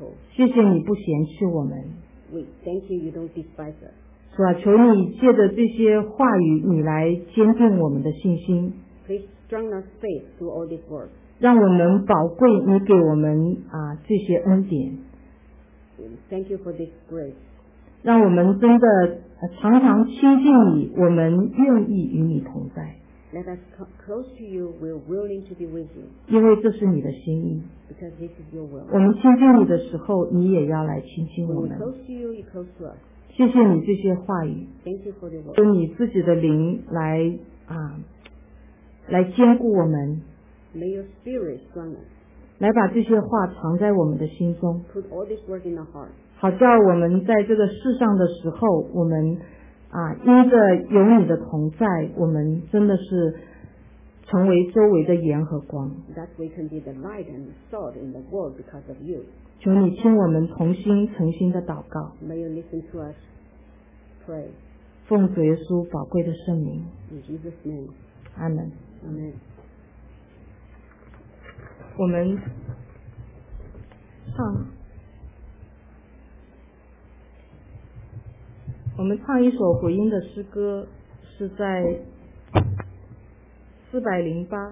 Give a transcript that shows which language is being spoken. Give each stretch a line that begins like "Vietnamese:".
Chinese: 谢谢你不嫌弃我们。主啊，求你借着这些话语，你来坚定我们的信心，让我们宝贵你给我们这些恩典。
English: Thank you for this grace.
Chinese: 让我们真的常常亲近你，我们愿意与你同在。
English: Let us close to you, we're willing to be with you.
Chinese: 因为这是你的心意。
English: Because this is your will.
Chinese: 我们亲近你的时候，你也要来亲近我们。
English: When we close to you, you close to us.
Chinese: 谢谢你这些话语。
English: Thank you for the word.
Chinese: 用你自己的灵来来坚固我们。
English: May your spirit strong us.
Chinese: 来把这些话藏在我们的心中。
English: Put all this word in our heart.
Chinese: 好叫我们在这个世上的时候，我们因着有你的同在，我们真的是成为周围的盐和光。
English: That we can be the light and salt in the world because of you.
Chinese: 求你听我们同心诚心的祷告。
English: May you listen to us. Pray.
Chinese: 奉主耶稣宝贵的圣名。
English: In Jesus' name. Amen. Amen.
Chinese: 我们唱，我们唱一首回应的诗歌，是在408。